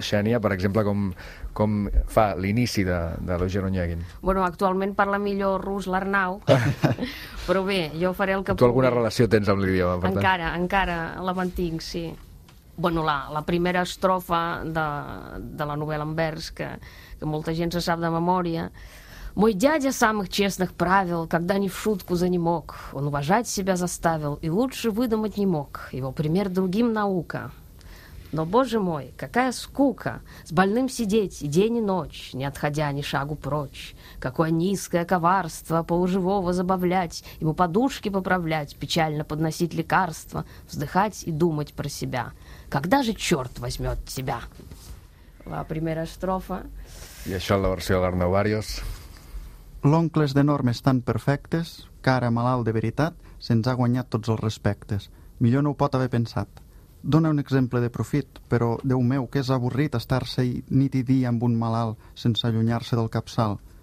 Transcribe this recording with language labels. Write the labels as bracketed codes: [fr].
[ca] Xènia, per exemple, com fa l'inici de l'Eugène Onyegin? Bueno, actualment parla millor rus l'Arnau, però bé, jo faré el que pugui. Tu alguna relació tens amb l'idioma? Encara la mantinc, sí. Bueno, la primera estrofa de la novel·la en vers, que molta gent se sap de memòria. [ru] «Мой дядя самых честных правил, когда ни в шутку за не мог. Он уважать себя заставил и лучше выдумать не мог. Его пример другим наука». Но, боже мой, какая скука с больным сидеть день и ночь, не отходя ни шагу прочь. Какое низкое коварство полуживого забавлять, ему подушки поправлять, печально подносить лекарства, вздыхать и думать про себя. Когда же черт возьмет тебя? [ca] La primera estrofa. I això la versió d'Arnau Barrios. L'oncle és de normes tan perfectes que ara, malalt de veritat, se'ns ha guanyat tots els respectes. Millor no ho pot haver pensat. Dóna un exemple de profit, però, Déu meu, que és avorrit estar-se nit i dia amb un malalt sense allunyar-se del capçal.